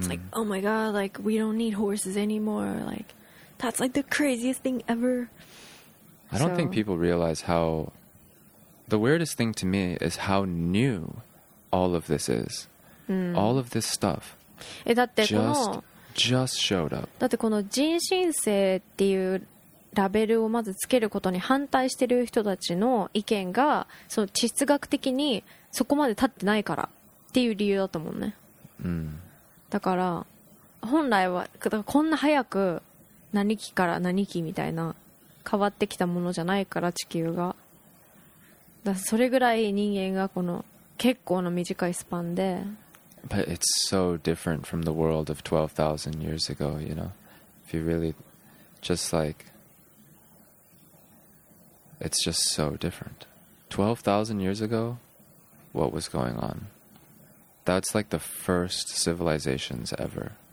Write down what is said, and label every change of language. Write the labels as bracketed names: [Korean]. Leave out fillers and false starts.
[English] It's like, oh my God, like, we don't need horses anymore. Like,That's like the craziest thing ever. I don't think people realize how... The weirdest thing to me is how new all of this is.、 Mm. All of this stuff just showed up. [Japanese] だってこの人新世っていうラベルをまずつけることに反対してる人たちの意見がその地質学的にそこまで立ってないからっていう理由だと思うね。だから本来はこんな早く何期から何期みたいな変わってきたものじゃないから地球がだそれぐらい人間がこの結構の短いスパンで [English] But it's so different from the world of 12,000 years ago, you know If you really just like It's just so different 12,000 years ago, what was going on? That's like the first civilizations ever